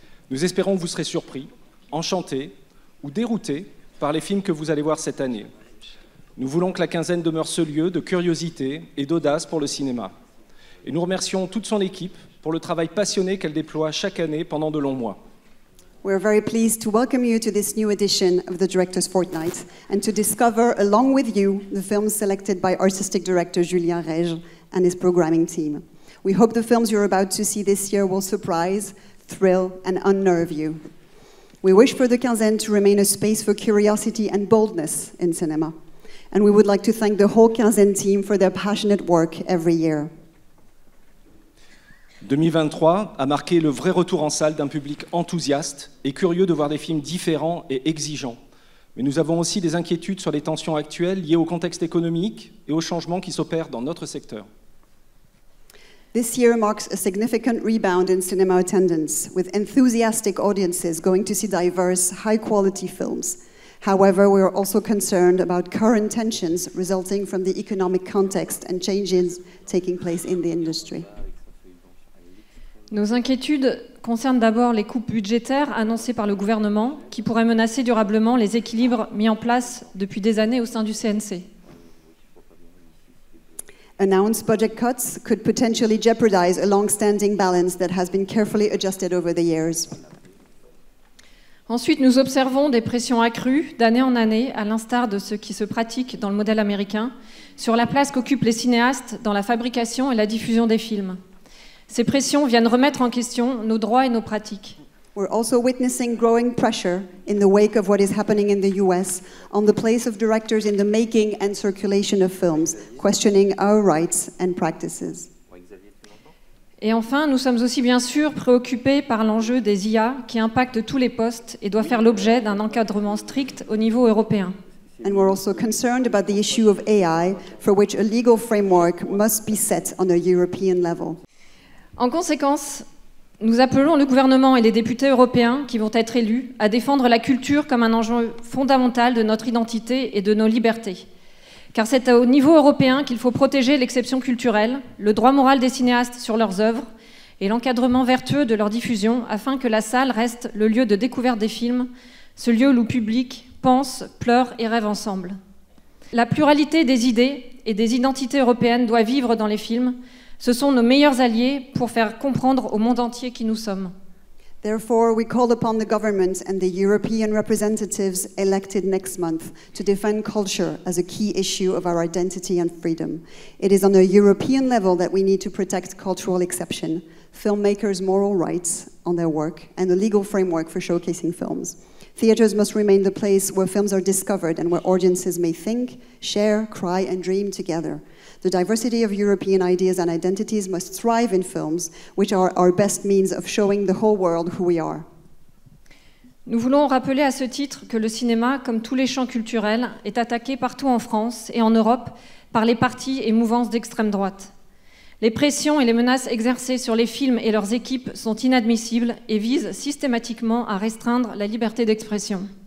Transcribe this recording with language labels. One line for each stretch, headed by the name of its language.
French: Nous espérons que vous serez surpris, enchantés ou déroutés par les films que vous allez voir cette année. Nous voulons que la quinzaine demeure ce lieu de curiosité et d'audace pour le cinéma. Et nous remercions toute son équipe pour le travail passionné qu'elle déploie chaque année pendant de longs mois.
English: We are very pleased to welcome you to this new edition of the Director's Fortnight and to discover along with you the films selected by artistic director Julien Règle and his programming team. We hope the films you're about to see this year will surprise, thrill and unnerve you. We wish for the quinzaine to remain a space for curiosity and boldness in cinema. And we would like to thank the whole quinzaine team for their passionate work every year.
French: 2023 a marqué le vrai retour en salle d'un public enthousiaste et curieux de voir des films différents et exigeants. Mais nous avons aussi des inquiétudes sur les tensions actuelles liées au contexte économique et aux changements qui s'opèrent dans notre secteur.
English: This year marks a significant rebound in cinema attendance, with enthusiastic audiences going to see diverse, high-quality films. However, we are also concerned about current tensions resulting from the economic context and changes taking place in the industry.
French: Nos inquiétudes concernent d'abord les coupes budgétaires annoncées par le gouvernement qui pourraient menacer durablement les équilibres mis en place depuis des années au sein du CNC.
English: Announced budget cuts could potentially jeopardize a long-standing balance that has been carefully adjusted over the years.
French: Ensuite, nous observons des pressions accrues d'année en année, à l'instar de ce qui se pratique dans le modèle américain, sur la place qu'occupent les cinéastes dans la fabrication et la diffusion des films. Ces pressions viennent remettre en question nos droits et nos pratiques.
English: We're also witnessing growing pressure in the wake of what is happening in the US on the place of directors in the making and circulation of films, questioning our rights and practices.
French: Et enfin, nous sommes aussi bien sûr préoccupés par l'enjeu des IA qui impacte tous les postes et doit faire l'objet d'un encadrement strict au niveau européen.
English: And we're also concerned about the issue of AI for which a legal framework must be set on a European level.
French: En conséquence, nous appelons le gouvernement et les députés européens qui vont être élus à défendre la culture comme un enjeu fondamental de notre identité et de nos libertés. Car c'est au niveau européen qu'il faut protéger l'exception culturelle, le droit moral des cinéastes sur leurs œuvres et l'encadrement vertueux de leur diffusion afin que la salle reste le lieu de découverte des films, ce lieu où le public pense, pleure et rêve ensemble. La pluralité des idées et des identités européennes doit vivre dans les films. Ce sont nos meilleurs alliés pour faire comprendre au monde entier qui nous sommes.
English: Therefore, we call upon the government and the European representatives elected next month to defend culture as a key issue of our identity and freedom. It is on a European level that we need to protect cultural exception, filmmakers' moral rights on their work, and the legal framework for showcasing films. Theaters must remain the place where films are discovered and where audiences may think, share, cry, and dream together. The diversity of European ideas and identities must thrive in films, which are our best means of showing the whole world who we are.
French: Nous voulons rappeler à ce titre que le cinéma, comme tous les champs culturels, est attaqué partout en France et en Europe par les partis et mouvances d'extrême droite. Les pressions et les menaces exercées sur les films et leurs équipes sont inadmissibles et visent systématiquement à restreindre la liberté d'expression.